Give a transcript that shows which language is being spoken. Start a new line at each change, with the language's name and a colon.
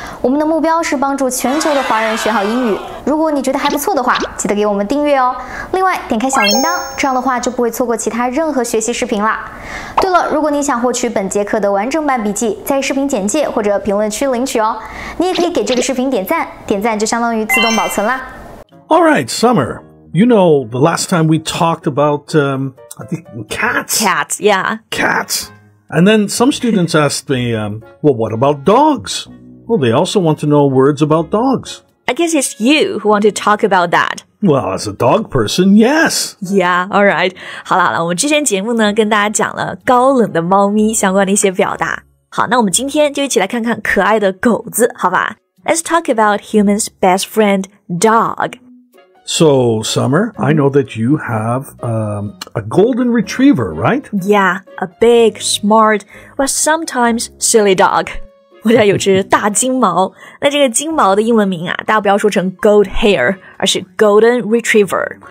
Chinese: 我们的目标是帮助全球的华人学好英语。如果你觉得还不错的话，记得给我们订阅哦。另外，点开小铃铛，这样的话就不会错过其他任何学习视频啦。对了，如果你想获取本节课的完整版笔记，在视频简介或者评论区领取哦。你也可以给这个视频点赞，点赞就相当于自动保存啦。
English: All right, Summer, you know, the last time we talked about, I think, cats. Cats, yeah. Cats. And then some students asked me, well, what about dogs? Well, they also want to know words about dogs. I guess it's you who want to talk about that. Well, as a dog person, yes. Yeah, all right.
Chinese: 好啦好啦，我们之前节目呢跟大家讲了高冷的猫咪相关的一些表达。好，那我们今天就一起来看看可爱的狗子，好吧。
English: Let's talk about human's best friend, dog. So, Summer, I know that you have, a golden retriever, right? Yeah, a big, smart, but sometimes silly dog.
Chinese: 我家有只大金毛。那这个金毛的英文名啊，大家不要说成 gold hair, 而是 golden retriever.